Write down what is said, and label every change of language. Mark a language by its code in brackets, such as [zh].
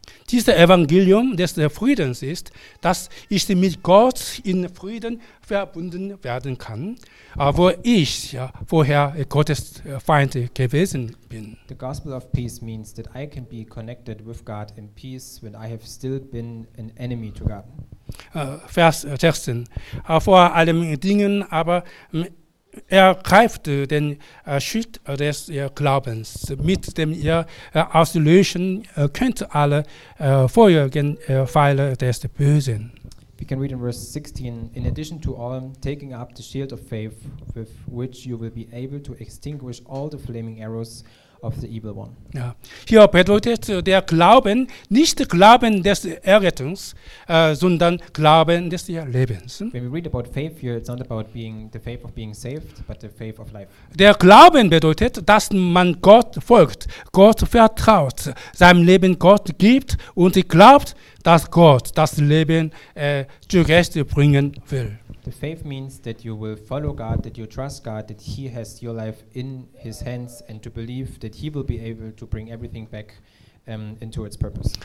[de] Dieses Evangelium des Friedens ist, dass ich mit Gott in Frieden verbunden werden kann, wo ich vorher Gottes Feind gewesen bin. [en] The gospel of peace means that I can be connected with God in peace when I have still been an enemy to God. [de] Vers 16. Vor allen Dingen aber ergreift den Schild des Glaubens, mit dem ihr auslöschen könnt alle vorherigen Pfeile des Bösen. [en] We can read in verse 16, in addition to all, taking up the shield of faith, with which you will be able to extinguish all the flaming arrows of the evil one. [de] Ja. Hier bedeutet der Glauben nicht Glauben des Errettungs, sondern Glauben des Lebens. [en] When we read about faith here, it's not about being the faith of being saved, but the faith of life. [de] Der Glauben bedeutet, dass man Gott folgt, Gott vertraut, seinem Leben Gott gibt und glaubt, dass Gott das Leben zurecht bringen will. [en] The faith means that you will follow God, that you trust God, that he has your life in his hands and to believe that he will be able to bring everything back into its purpose.